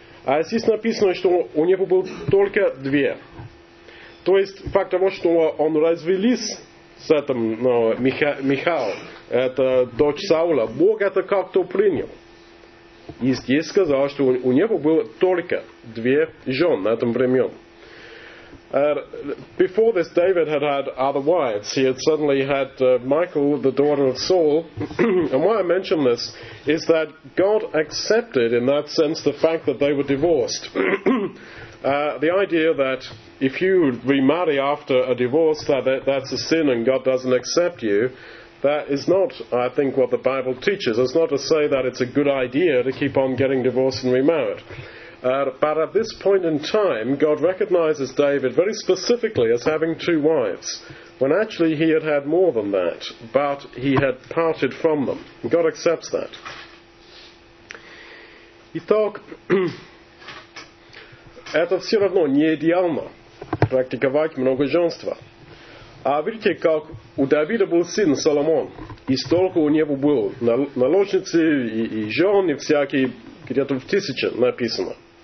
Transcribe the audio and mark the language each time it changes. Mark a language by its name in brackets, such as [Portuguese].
[Russian] А здесь написано, что у него было только две. То есть факт того, что он развелись с этим, ну, Михаил, это дочь Саула, Бог это как-то принял. И здесь сказал, что у него было только две жены на этом времен. [English] Before this, David had had other wives. He had suddenly had Michael, the daughter of Saul. And why I mention this is that God accepted, in that sense, the fact that they were divorced. The idea that if you remarry after a divorce, that's a sin and God doesn't accept you. That is not, I think, what the Bible teaches. It's not to say that it's a good idea to keep on getting divorced and remarried. But at this point in time, God recognizes David very specifically as having two wives, when actually he had had more than that, but he had parted from them. God accepts that. [Russian] Итак, это все равно не идеально практиковать многоженство. А видите, как у Давида был сын Соломон, и столько у него было наложницы и жен, и всякие, где-то в тысячи написано.